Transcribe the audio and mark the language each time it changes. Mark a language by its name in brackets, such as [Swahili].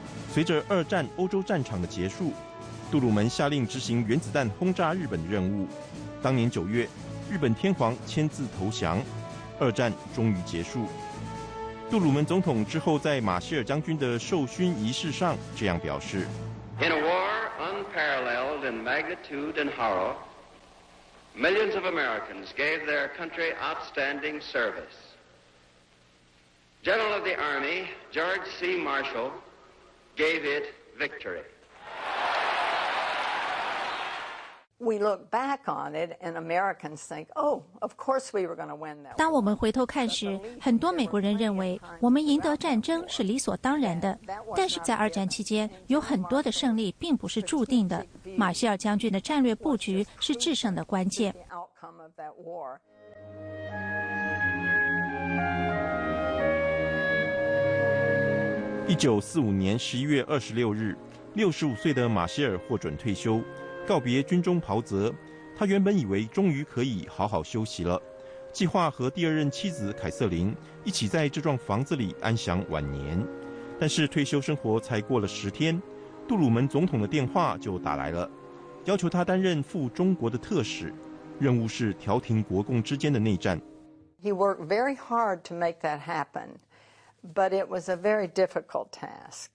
[Chinese] 随着二战欧洲战场的结束，杜鲁门下令执行原子弹轰炸日本的任务。当年9月，日本天皇签字投降，二战终于结束。杜鲁门总统之后在马歇尔将军的授勋仪式上这样表示 [English] ：In a war unparalleled in magnitude and horror, Millions of Americans gave their country outstanding service. General of the Army George C. Marshall gave it victory. We look back on it, and Americans think, "Oh, of course we were going to win that." [Chinese] 当我们回头看时，很多美国人认为我们赢得战争是理所当然的。但是在二战期间，有很多的胜利并不是注定的。马歇尔将军的战略布局是制胜的关键。 1945年11月26日，65岁的马歇尔获准退休。告别军中袍泽，他原本以为终于可以好好休息了，计划和第二任妻子凯瑟琳一起在这幢房子里安享晚年。但是退休生活才过了10天，杜鲁门总统的电话就打来了，要求他担任赴中国的特使，任务是调停国共之间的内战。 [English] He worked very hard to make that happen, but it was a very difficult task.